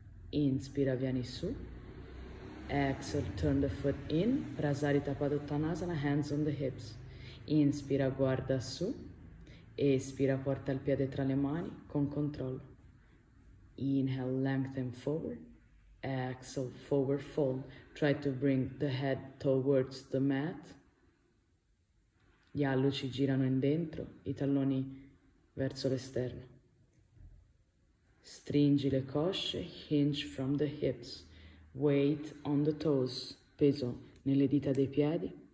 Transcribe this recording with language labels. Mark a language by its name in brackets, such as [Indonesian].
[Italian] Inspira, vieni su. [English] Exhale, turn the foot in, Prasarita Padottanasana, hands on the hips. [Italian] Inspira, guarda su. Espira, porta il piede tra le mani, con controllo. [English] Inhale, lengthen forward. Exhale, forward fold. Try to bring the head towards the mat. [Italian] Gli alluci girano in dentro, i talloni verso l'esterno. Stringi le cosce, [English] hinge from the hips. Weight on the toes, [Italian] peso nelle dita dei piedi.